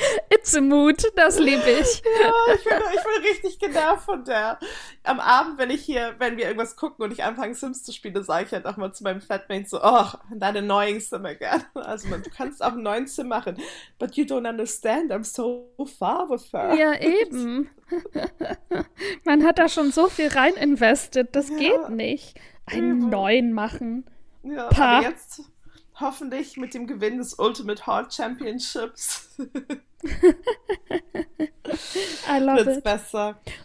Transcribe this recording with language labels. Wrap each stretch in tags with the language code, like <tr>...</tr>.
<en>It's a mood,</en> <de>das liebe ich. Ja, ich bin richtig genervt von der. Am Abend, wenn wir irgendwas gucken und ich anfange Sims zu spielen, sage ich halt auch mal zu meinem Flatmate so, oh, deine neuen Zimmer gerne. Also du kannst auch einen neuen Sim machen.</de> <en>But you don't understand, I'm so far with her.</en> <de>Ja, eben. Man hat da schon so viel rein investiert, das geht nicht. Einen neuen machen. Ja, aber jetzt hoffentlich mit dem Gewinn des Ultimate Heart Championships.</de> <en>I love</en> <de>wird's</de> <en>it.</en> <de>Besser.</de>